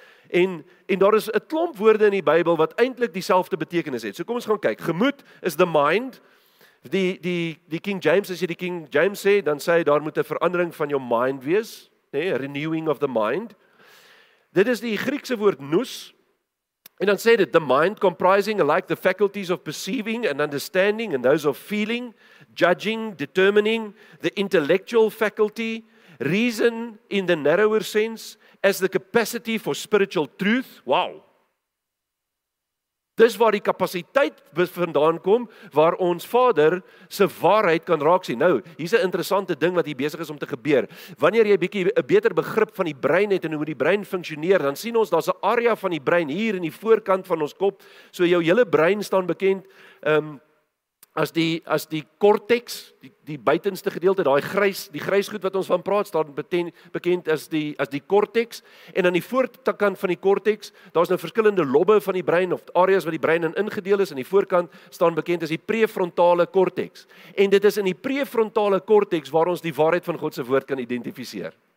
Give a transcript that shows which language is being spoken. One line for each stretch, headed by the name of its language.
Afrikaans: En daar is 'n klomp woorde in die Bybel wat eintlik dieselfde betekenis het. So kom ons gaan kyk. Gemoed
English: is the mind.
Afrikaans: Die King James, as jy die King James sê, dan sê hy daar moet 'n verandering van jou mind wees, nê,
English: renewing of the mind.
Afrikaans: Dit is die Griekse woord nous. En dan sê dit,
English: the mind comprising alike the faculties of perceiving and understanding and those of feeling, judging, determining, the intellectual faculty, reason in the narrower sense, as the capacity for spiritual truth. Wow!
Afrikaans: Dis waar die kapasiteit vandaan kom, waar ons Vader se waarheid kan raak sien. Nou, hier's 'n interessante ding wat hier besig is om te gebeur. Wanneer jy bietjie 'n beter begrip van die brein het en hoe die brein funksioneer, dan sien ons daar's 'n area van die brein hier in die voorkant van ons kop. So jou hele brein staan bekend as die korteks, die buitenste gedeelte, die grys goed wat ons van praat, staan bekend as die korteks, en aan die voorkant van die korteks, daar's nou verskillende lobbe van die brein, of areas wat die brein in ingedeel is, aan die voorkant staan bekend as die prefrontale korteks, en dit is in die prefrontale korteks waar ons die waarheid van God se woord kan identifiseer.